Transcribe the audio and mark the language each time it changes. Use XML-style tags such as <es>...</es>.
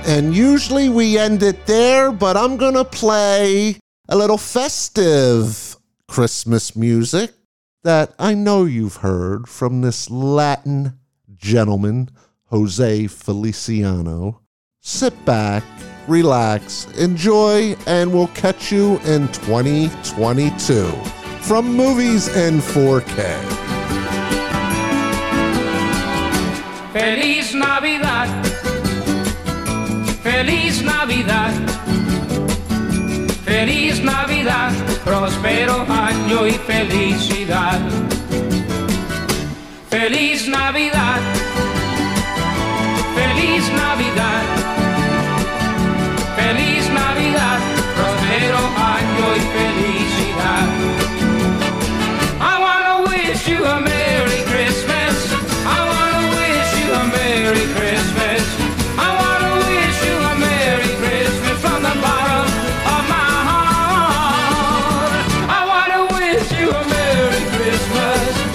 <en>usually we end it there, but I'm going to play a little festive Christmas music that I know you've heard from this Latin gentleman, Jose Feliciano. Sit back, relax, enjoy, and we'll catch you in 2022 from Movies in 4K.</en> <es>Feliz Navidad, Feliz Navidad, Feliz Navidad, Prospero Año y Felicidad. Feliz Navidad, Feliz Navidad, Feliz Navidad, Prospero Año y Felicidad.</es> <en>I want to wish you a Merry Christmas. I want to wish you a Merry Christmas. I want to wish you a Merry Christmas from the bottom of my heart. I want to wish you a Merry Christmas.</en>